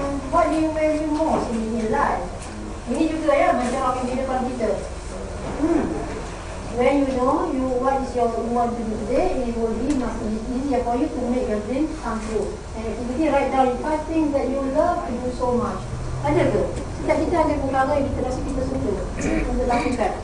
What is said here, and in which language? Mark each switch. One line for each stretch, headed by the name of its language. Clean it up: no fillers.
English: What do you value most in your life?
Malay: Ini juga ya, macam orang di depan kita.
English: When you know you what is your want to do today, it will be much easier for you to make your dreams come true. And if you write down 5 things that you love to do so much.
Malay: Ada ke? Setiap kita ada perkara yang kita rasa kita suka untuk lakukan.